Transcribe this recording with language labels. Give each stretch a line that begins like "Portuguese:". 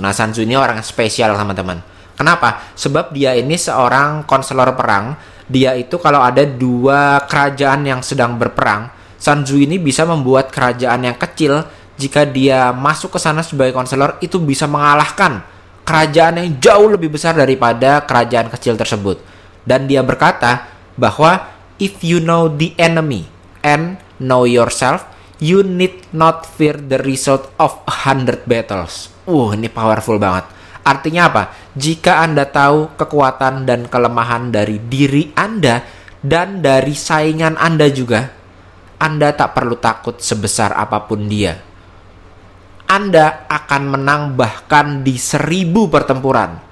Indonesian: Nah, Sun Tzu ini orang spesial, teman-teman. Kenapa? Sebab dia ini seorang konselor perang. Dia itu kalau ada dua kerajaan yang sedang berperang, Sun Tzu ini bisa membuat kerajaan yang kecil, jika dia masuk ke sana sebagai konselor, itu bisa mengalahkan kerajaan yang jauh lebih besar daripada kerajaan kecil tersebut. Dan dia berkata bahwa,
English: "If you know the enemy and know yourself, you need not fear the result of 100 battles.
Indonesian: Ini powerful banget. Artinya apa? Jika Anda tahu kekuatan dan kelemahan dari diri Anda dan dari saingan Anda juga, Anda tak perlu takut sebesar apapun dia. Anda akan menang bahkan di 1000 pertempuran.